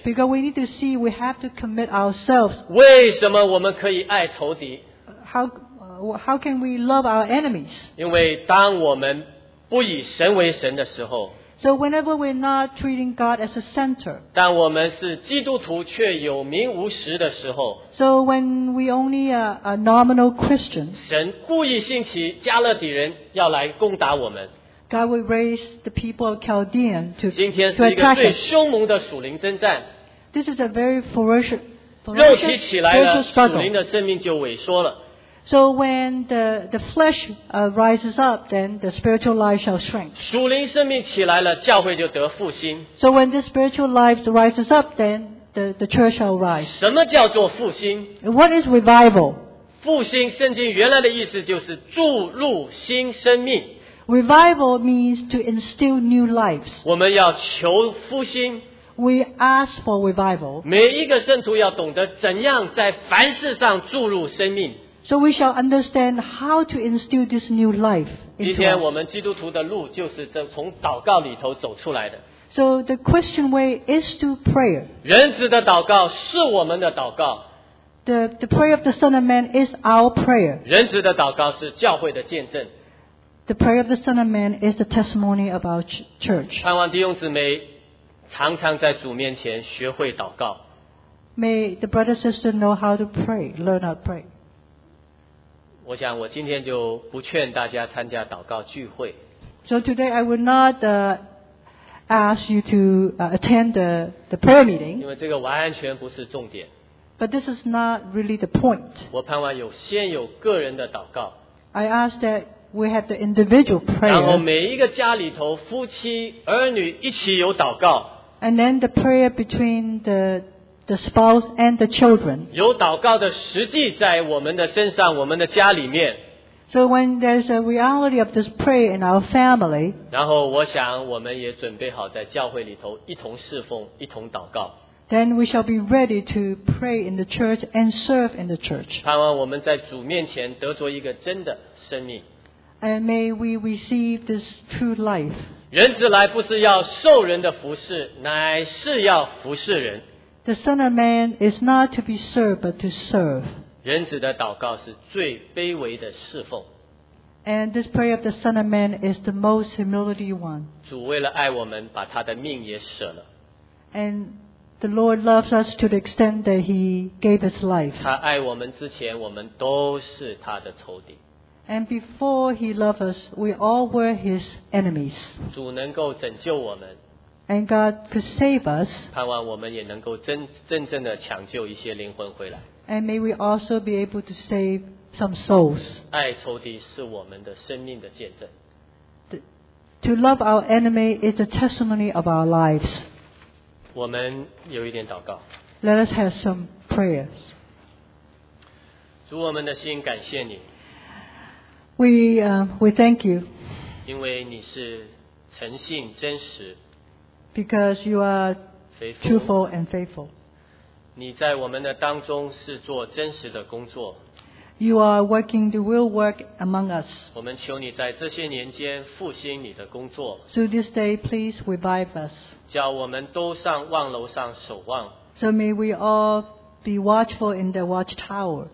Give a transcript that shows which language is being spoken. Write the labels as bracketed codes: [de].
[en] Because we need to see we have to commit ourselves. [zh] 为什么我们可以爱仇敌？ [en] How can we love our enemies? [zh] 因为当我们 不以神为神的时候, [en] so whenever we're not treating God as a center, [zh] 但我们是基督徒却有名无实的时候, [en] so when we only a nominal Christian, [zh] 神故意兴起加勒底人要来攻打我们, [en] God will raise the people of Chaldean to attack us. [zh] 今天是一个最凶猛的属灵征战, [en] this is a very ferocious struggle. [zh] 肉体起来了, 属灵的生命就萎缩了。 [en] So when the flesh rises up, then the spiritual life shall shrink. [zh] 属灵生命起来了，教会就得复兴。 [en] So when the spiritual life rises up, then the church shall rise. [zh] 什么叫做复兴？ [en] What is revival? [zh] 复兴，圣经原来的意思就是注入新生命。 [en] Revival means to instill new lives. [zh] 我们要求复兴。 [en] We ask for revival. [zh] 每一个圣徒要懂得怎样在凡事上注入生命。 [en] So we shall understand how to instill this new life into us. [zh] 今天我们基督徒的路就是从祷告里头走出来的。 [en] So the Christian way is through prayer. [zh] 人子的祷告是我们的祷告。 [en] The prayer of the Son of Man is our prayer. [zh] 人子的祷告是教会的见证。 [en] The prayer of the Son of Man is the testimony of our church. [zh] 盼望弟兄姊妹常常在主面前学会祷告。 [en] May the brother sister know how to pray, learn how to pray. [zh] 我想我今天就不劝大家参加祷告聚会。 [en] So today I would not ask you to attend the prayer meeting. [zh] 因为这个完全不是重点。 [en] But this is not really the point. [zh] 我盼望有先有个人的祷告。 [en] I ask that we have the individual prayer. [zh] 然后每一个家里头夫妻儿女一起有祷告。 [en] And then the prayer between the spouse and the children. [zh] 有祷告的实际在我们的身上，我们的家里面。 [en] So when there's a reality of this prayer in our family. [zh] 然后我想我们也准备好在教会里头一同侍奉，一同祷告。 [en] Then we shall be ready to pray in the church and serve in the church. [zh] 盼望我们在主面前得着一个真的生命。 [en] And may we receive this true life. [zh] 人子来不是要受人的服侍，乃是要服侍人。 [en] The Son of Man is not to be served, but to serve. [zh] 人子的祷告是最卑微的侍奉。 [en] And this prayer of the Son of Man is the most humility one. [zh] 主为了爱我们，把他的命也舍了。 [en] And the Lord loves us to the extent that He gave His life. [zh] 他爱我们之前，我们都是他的仇敌。 [en] And before He loved us, we all were His enemies. [zh] 主能够拯救我们。 [en] And God could save us. [zh] 盼望我们也能够真正的抢救一些灵魂回来。 [en] And may we also be able to save some souls. [zh] 爱仇敌是我们的生命的见证。 [en] To love our enemy is a testimony of our lives. [zh] 我们有一点祷告。 [en] Let us have some prayers. [zh] 主我们的心感谢你。 [en] We thank you. [zh] 因为你是诚信真实。 [en] Because you are truthful and faithful. [zh] 你在我们的当中是做真实的工作。 [en] You are working the real work among us. [zh] 我们求你在这些年间复兴你的工作。 [en] So this day, please revive us. [zh] 叫我们都上望楼上守望。 [en] So may we all be watchful in the watchtower.